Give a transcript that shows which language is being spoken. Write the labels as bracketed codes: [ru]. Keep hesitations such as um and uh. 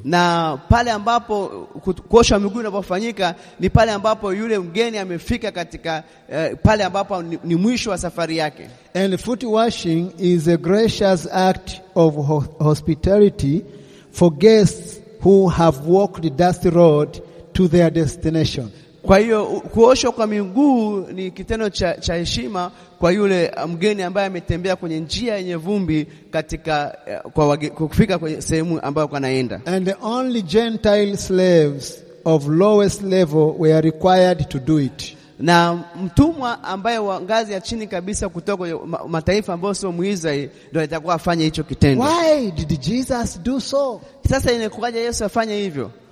[sw] Na pale ambapo kuosha miguu inapofanyika ni pale ambapo yule mgeni amefika katika pale ambapo ni mwisho wa safari yake. [en] And foot washing is a gracious act of hospitality for guests who have walked the dusty road to their destination. [sw] Kwa hiyo kuoshwa kwa miguu ni kitendo cha, cha heshima kwa yule mgeni ambaye ametembea kwenye njia yenye vumbi katika kwa wage, kufika kwenye sehemu ambayo kanaenda. [en] And the only gentile slaves of lowest level were required to do it. [sw] Na mtumwa ambaye wa ngazi ya chini kabisa kutoka mataifa ambayo sio Muisraeli ndio atakuwa afanye hicho kitendo. [en] Why did Jesus do so? [sw] Sasa inakuwaje Yesu afanye hivyo?